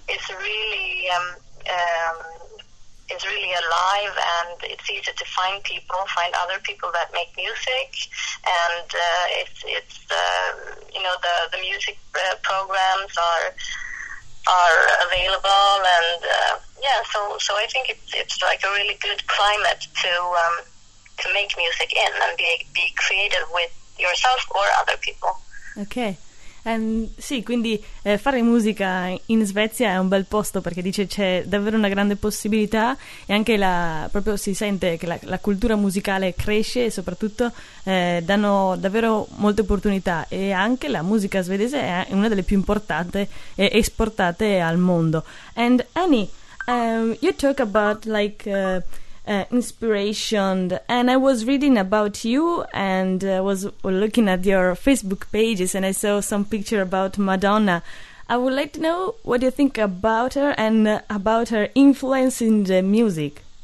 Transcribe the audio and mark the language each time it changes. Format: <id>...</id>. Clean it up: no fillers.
<en>It's really alive, and it's easy to find people, find other people that make music, and the music programs are available, and so I think it's like a really good climate to make music in and be creative with yourself or other people. Okay.</en> <it>Sì, quindi fare musica in Svezia è un bel posto, perché dice c'è davvero una grande possibilità, e anche proprio si sente che la cultura musicale cresce, e soprattutto danno davvero molte opportunità, e anche la musica svedese è una delle più importanti esportate al mondo.</it> <en>And Annie, you talk about like inspiration, and I was reading about you, and I was looking at your Facebook pages, and I saw some picture about Madonna. I would like to know what you think about her and about her influence in the music.</en>